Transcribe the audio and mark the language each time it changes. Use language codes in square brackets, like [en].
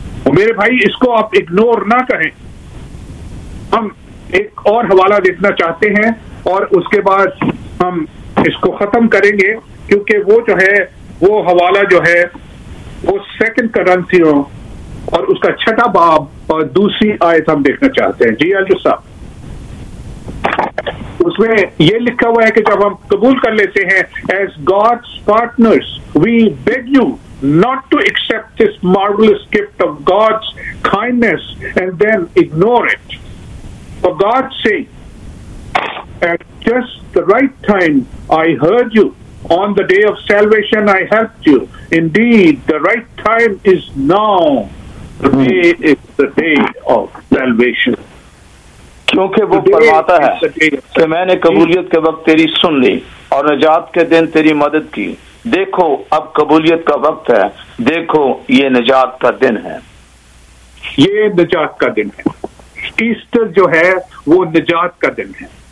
[ur] میرے بھائی اس کو آپ اگنور نہ کریں. ہم ایک اور حوالہ دیکھنا چاہتے ہیں اور اس کے بعد ہم اس کو ختم کریں گے, کیونکہ وہ جو ہے وہ حوالہ جو ہے وہ سیکنڈ کرنتھیوں اور اس کا چھٹا باب اور دوسری آیت ہم دیکھنا چاہتے ہیں. جی الجو صاحب, اس میں یہ لکھا ہوا ہے کہ جب ہم قبول کر لیتے ہیں [en] As God's partners we beg you not to accept this marvelous gift of God's kindness and then ignore it. For God's sake, at just the right time I heard you. On the day of salvation I helped you. Indeed, the right time is now. Today is the day of salvation. [ur] کیونکہ وہ فرماتا ہے کہ میں نے قبولیت کے وقت تیری سن لی اور نجات کے دن تیری مدد کی. دیکھو اب قبولیت کا وقت ہے, دیکھو یہ نجات کا دن ہے. یہ نجات کا دن ہے, ایسٹر جو ہے وہ نجات کا دن ہے.